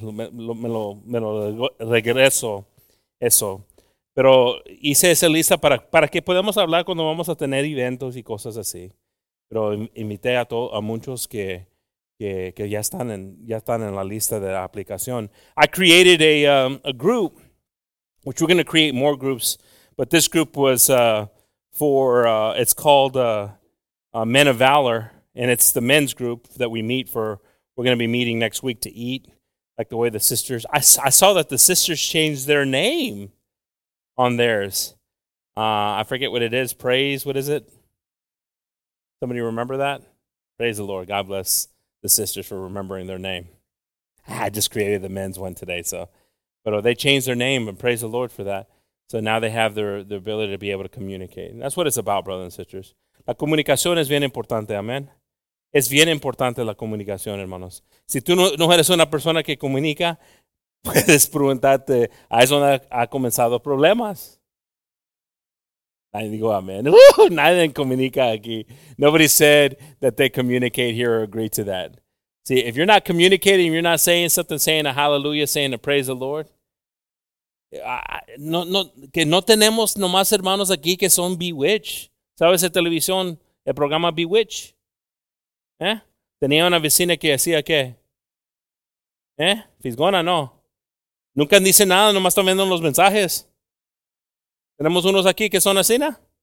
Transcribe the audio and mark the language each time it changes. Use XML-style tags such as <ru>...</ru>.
<es>Me lo regreso eso. Pero hice esa lista para que podamos hablar cuando vamos a tener eventos y cosas así. Pero invité a muchos que ya están en la lista de la aplicación.</es> <en>I created a group, which we're going to create more groups. But this group was it's called Men of Valor. And it's the men's group that we meet for. We're going to be meeting next week to eat, like the way the sisters. I saw that the sisters changed their name on theirs. I forget what it is. Praise, what is it? Somebody remember that? Praise the Lord. God bless the sisters for remembering their name. I just created the men's one today. But they changed their name, and praise the Lord for that. So now they have their ability to be able to communicate. And that's what it's about, brothers and sisters.</en> <es>La comunicación es bien importante. Amen. Es bien importante la comunicación, hermanos. Si tú no eres una persona que comunica, puedes preguntarte, ¿a eso ha comenzado problemas? Nadie dijo amén. Nadie comunica aquí.</es> <en>Nobody said that they communicate here or agree to that. See, if you're not communicating, you're not saying something, saying a hallelujah, saying a praise the Lord.</en> <es>Que no tenemos nomás hermanos aquí que son Bewitch. ¿Sabes de televisión, el programa Bewitch? ¿Eh? Tenía una vecina que hacía qué? ¿Eh? Fisgona, no. Nunca dice nada, nomás están viendo los mensajes. Tenemos unos aquí que son así, ¿no?</es>